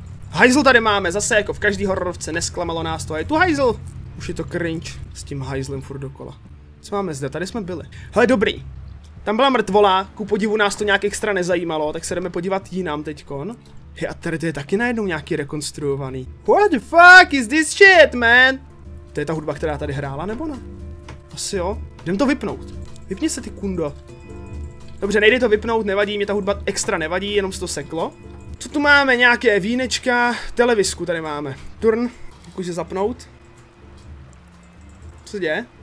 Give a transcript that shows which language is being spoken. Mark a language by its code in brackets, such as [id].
[cs] Hajzl tady máme, zase jako v každý hororovce, nesklamalo nás to a je tu hajzl. Už je to cringe s tím hajzlem furt dokola. Co máme zde, tady jsme byli. Hele dobrý, tam byla mrtvola, ku podivu nás to nějak extra nezajímalo, tak se jdeme podívat jinam teďkon. Hej, a tady to je taky najednou nějaký rekonstruovaný. [en] What the fuck is this shit, man? [cs] To je ta hudba, která tady hrála, nebo ne? Asi jo. Jdem to vypnout. Vypni se ty kundo. Dobře, nejde to vypnout, nevadí, mě ta hudba extra nevadí, jenom se to seklo. Co tu máme, nějaké vínečka, televizku tady máme. Turn, zkus je zapnout. Co se děje?